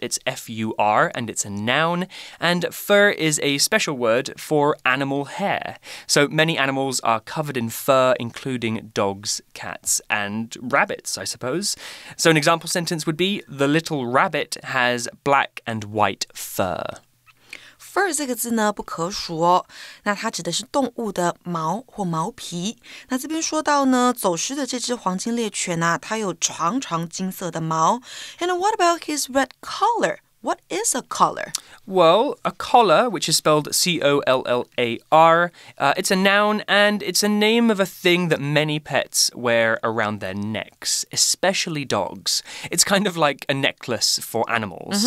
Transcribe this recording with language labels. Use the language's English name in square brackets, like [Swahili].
[English] It's F-U-R and it's a noun. And fur is a special word for animal hair. So many animals are covered in fur, including dogs, cats, and rabbits, I suppose. So an example sentence would be, the little rabbit has black and white fur. [Chinese] Fur 这个字呢不可数哦，那它指的是动物的毛或毛皮。那这边说到呢，走失的这只黄金猎犬啊，它有长长金色的毛。 [English] And what about his red collar? What is a collar? Well, a collar, which is spelled C-O-L-L-A-R, it's a noun and it's a name of a thing that many pets wear around their necks, especially dogs. It's kind of like a necklace for animals.